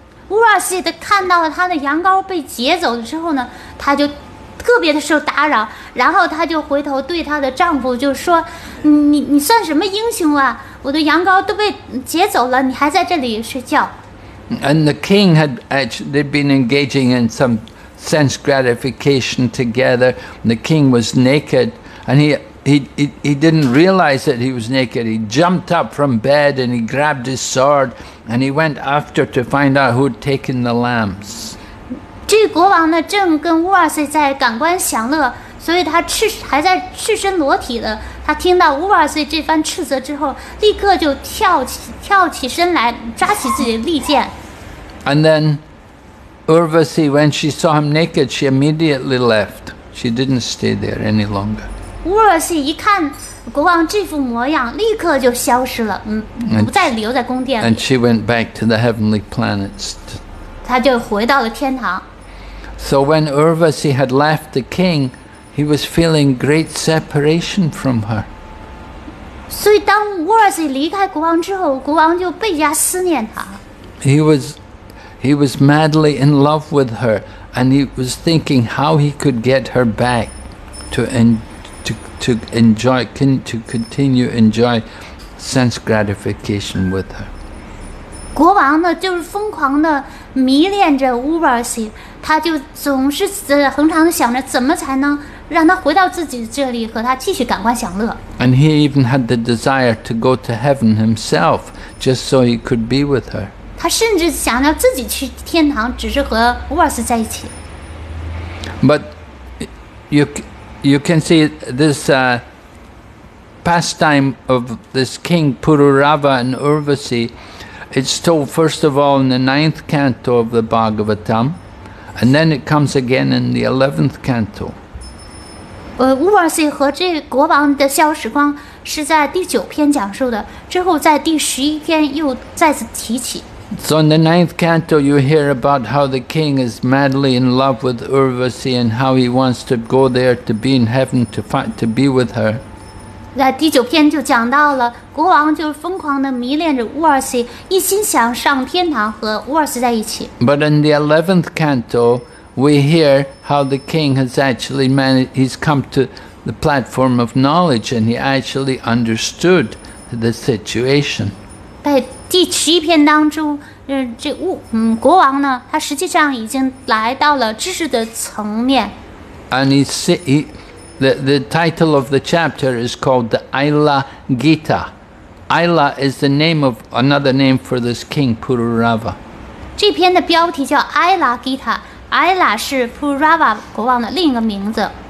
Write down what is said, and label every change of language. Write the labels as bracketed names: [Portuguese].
[Chinese] Urvasi 看到了他的羊羔被劫走之后呢，他就特别的受打扰，然后他就回头对他的丈夫就说，你算什么英雄啊，我的羊羔都被劫走了，你还在这里睡觉。 [English] And the king had actually, they'd been engaging in some sense gratification together. The king was naked and he didn't realize that he was naked. He jumped up from bed and he grabbed his sword and he went after to find out who'd taken the lambs. [Chinese] 这个国王呢正跟乌尔瑟在感官享乐，所以他还在赤身裸体的，他听到乌尔瑟这番斥责之后立刻就跳起身来抓起自己的利剑。 [English] And then Urvasi, when she saw him naked, she immediately left. She didn't stay there any longer. [Chinese] 乌尔瑟一看国王这副模样立刻就消失了，不再留在宫殿里。 [English] And she went back to the heavenly planets. [Chinese] 他就回到了天堂。 [English] So when Urvasi had left the king, he was feeling great separation from her. [Chinese] 所以当 Urvasi 离开国王之后，国王就倍加思念他。 [English] He was madly in love with her, and he was thinking how he could get her back to continue enjoy sense gratification with her. [Chinese] 国王呢，就是疯狂的迷恋着 Urvasi， 他就总是恒常想着怎么才能让他回到自己这里，和他继续感官享乐。 [English] And he even had the desire to go to heaven himself, just so he could be with her. [Chinese] 他甚至想要自己去天堂，只是和 Urvasi 在一起。 [English] But you can see this pastime of this king Pururava and Urvasi. It's told first of all in the 9th canto of the Bhagavatam, and then it comes again in the 11th canto. [Chinese] Urvasi 和这国王的逍遥时光是在第九篇讲述的，之后在第十一篇又再次提起。 [English] So in the 9th canto, you hear about how the king is madly in love with Urvasi and how he wants to go there to be in heaven to be with her. [Chinese] 那第九篇就讲到了，国王就疯狂地迷恋着乌尔西，一心想上天堂和乌尔西在一起。 [English] But in the 11th canto, we hear how the king has actually he's come to the platform of knowledge and he actually understood the situation. [Chinese] 在第十一篇当中，国王呢，他实际上已经来到了知识的层面。 [English] And the title of the chapter is called the Aila Gita. Aila is the name of another name for this king, Pururava. [Chinese] 这篇的标题叫 Aila Gita. Aila 是 Pururava 国王的另一个名字。